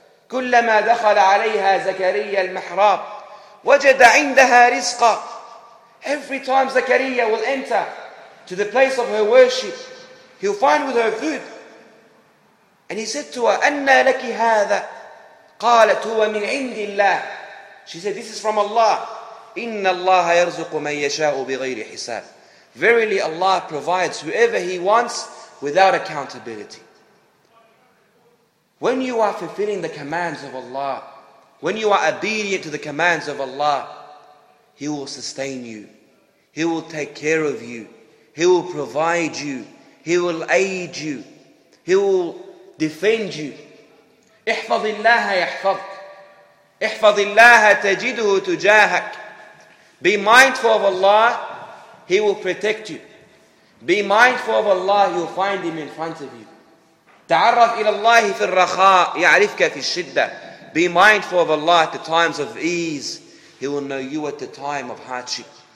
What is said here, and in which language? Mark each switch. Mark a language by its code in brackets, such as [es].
[ar] كلما دخل عليها زكريا المحراب وجد عندها رزقا. [en] Every time Zakaria will enter to the place of her worship, he'll find with her food. And he said to her, [ar] أنا لك هذا. قالت هو من عند الله. [en] She said, this is from Allah. [ar] إن الله يرزق من يشاء بغير حساب. [en] Verily Allah provides whoever He wants without accountability. When you are fulfilling the commands of Allah, when you are obedient to the commands of Allah, He will sustain you. He will take care of you. He will provide you. He will aid you. He will defend you. [ar] احفظ الله يحفظك. احفظ الله تجده تجاهك. [en] Be mindful of Allah, He will protect you. Be mindful of Allah, you'll find Him in front of you. [ar] تعرف إلى الله في الرخاء يعرفك في الشدة. [en] Be mindful of Allah at the times of ease, He will know you at the time of hardship.